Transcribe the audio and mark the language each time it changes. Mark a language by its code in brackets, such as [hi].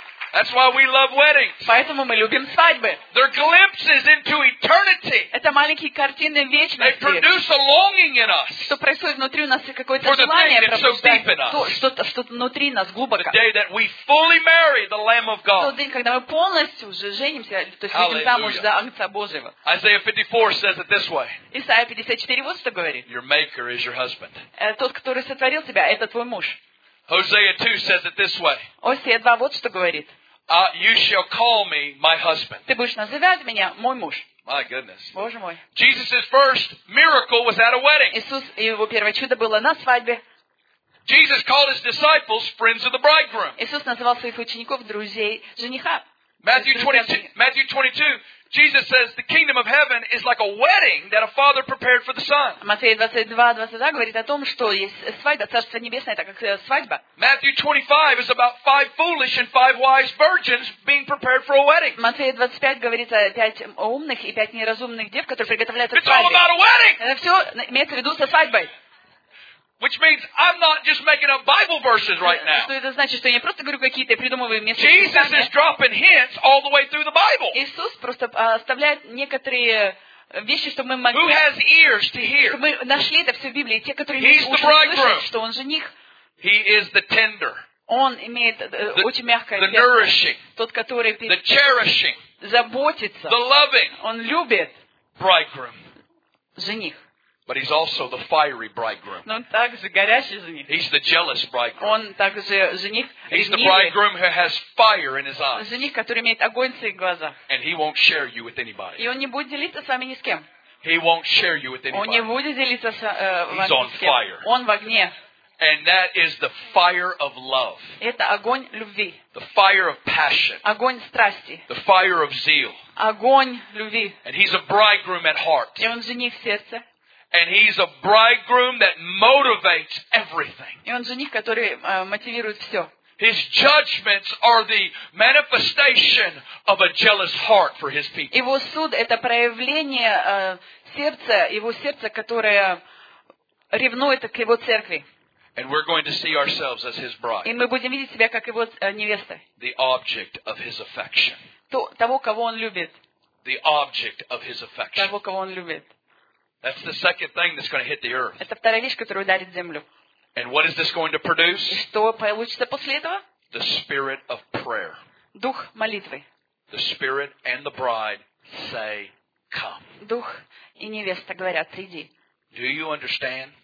[en] That's why we love weddings. [ru] Поэтому мы любим свадьбы. [en] They're glimpses into eternity. [ru] Это маленькие картины вечности. [en] They produce a longing in us. [ru] Что происходит внутри нас и какое-то желание пробуждает. Что-то внутри нас глубоко. [en] The day that we fully marry the Lamb of God. [ru] Тот день, когда мы полностью уже женимся, то есть выйдем замуж за Агнца Божьего. [en] Isaiah 54 says it this way. [ru] Исайя 54 вот что говорит. [en] Your maker is your husband. [ru] Тот, который сотворил тебя, это твой муж. [en] Hosea 2 says it this way. [ru] Осия 2 вот что говорит. [en] You shall call me my husband. [ru] Ты будешь называть меня мой муж. [en] My goodness. [ru] Боже мой. [en] Jesus' first miracle was at a wedding. [ru] Иисус, его первое чудо было на свадьбе. [en] Jesus called his disciples friends of the bridegroom. [ru] Иисус называл своих учеников друзей жениха. [en] Matthew 22. Jesus says the kingdom of heaven is like a wedding that a father prepared for the son. [ru] Матфея 22:22 говорит о том, что есть свадьба, царство небесное, это как свадьба. [en] Matthew 25 is about five foolish and five wise virgins being prepared for a wedding. [ru] Матфея 25 говорит о пять умных и пять неразумных дев, которые приготовляются к свадьбе. [en] It's all about a wedding. [ru] Это все имеется в виду со свадьбой. [en] Which means I'm not just making up Bible verses right now. [ru] Что это значит, что я просто говорю какие-то придумываю места. [en] Jesus is dropping hints all the way through the Bible. [ru] Иисус просто оставляет некоторые вещи, чтобы мы могли. [en] Who has ears to hear? [ru] Мы нашли это все в Библии, те, которые не слышали, что он жених. [en] He is the tender. [ru] Он имеет очень мягкое сердце. [en] The nourishing. [ru] Тот, который. [en] The cherishing. [ru] Заботится. [en] The loving. [ru] Он любит. [en] Bridegroom. [ru] Жених. [en] But he's also the fiery bridegroom. [ru] Но он также горящий жених. [en] He's the jealous bridegroom. [ru] Он также жених. [en] He's the bridegroom who has fire in his eyes. [ru] Жених, который имеет огонь в своих глазах. [en] And he won't share you with anybody. [ru] И он не будет делиться с вами ни с кем. [en] He won't share you with anybody. He's on fire. [ru] Он в огне. [en] And that is the fire of love. [ru] Это огонь любви. [en] The fire of passion. [ru] Огонь страсти. [en] The fire of zeal. [ru] Огонь любви. [en] And he's a bridegroom at heart. [ru] И он жених в сердце. [en] And he's a bridegroom that motivates everything. [ru] И он жених, который мотивирует все. [en] His judgments are the manifestation of a jealous heart for his people. [ru] Его суд это проявление сердца, его сердце, которое ревнует к его церкви. [en] And we're going to see ourselves as his bride. [ru] И мы будем видеть себя как его невеста. [en] The object of his affection. [ru] Того, кого он любит. [en] The object of his affection. [ru] Того, кого он любит. [en] That's the second thing that's going to hit the earth. [ru] Это вторая вещь, которая ударит землю. [en] And what is this going to produce? [ru] И что получится после этого? [en] The spirit of prayer. [ru] Дух молитвы. [en] The spirit and the bride say, "Come." [ru] Дух и невеста говорят: "Иди." [en] Do you understand?